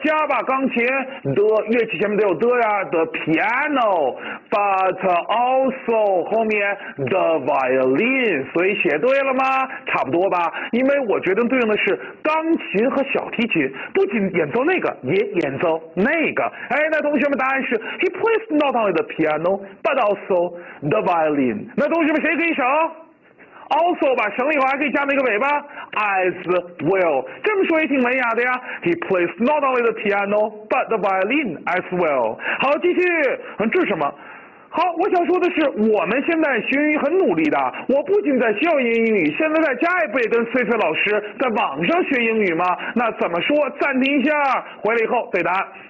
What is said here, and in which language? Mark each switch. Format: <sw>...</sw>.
<zh>加吧，钢琴的乐器前面得有的呀 ，</zh> <en>the piano，but also</en> <zh>后面</zh> <en>the violin，</en> <zh>所以写对了吗？差不多吧，因为我决定对应的是钢琴和小提琴，不仅演奏那个，也演奏那个。哎，那同学们答案是</zh> <en>he plays not only the piano but also the violin。</en> <zh>那同学们谁可以省？Also 吧，省了以后还可以加那个尾巴</zh> <en>as well，</en> <zh>这么说也挺文雅的呀。</zh> <en>He plays not only the piano but the violin as well。</en> <zh>好，继续。这是什么？好，我想说的是，我们现在学英语很努力的。我不仅在校园英语，现在在家也不也跟菲菲老师在网上学英语吗？那怎么说？暂停一下，回来以后对答案。</zh>